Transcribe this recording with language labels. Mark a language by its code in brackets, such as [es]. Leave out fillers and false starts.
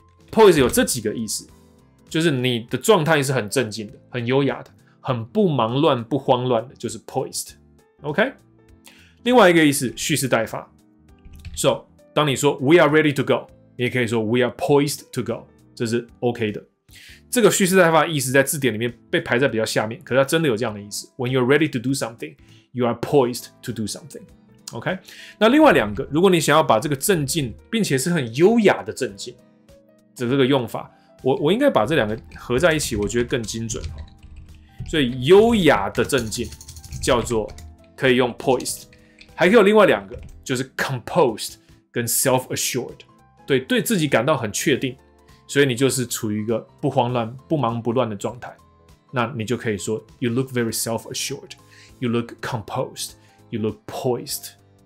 [zh] poise 有这几个意思，就是你的状态是很镇静的，很优雅的，很不忙乱不慌乱的，就是 poised。 OK， 另外一个意思蓄势待发。 So 当你说 [en] we are ready to go， [zh] 你也可以说 [en] we are poised to go， [zh] 这是 OK 的。这个蓄势待发的意思在字典里面被排在比较下面，可是它真的有这样的意思。 [en] When you're ready to do something， you are poised to do something。 [zh] OK， 那另外两个，如果你想要把这个镇静并且是很优雅的镇静的这个用法， 我应该把这两个合在一起，我觉得更精准。所以优雅的镇静叫做可以用 poised， 还可以有另外两个，就是 composed 跟 self-assured， 对自己感到很确定，所以你就是处于一个不慌乱不忙不乱的状态，那你就可以说 [en] you look very self-assured， you look composed， you look poised。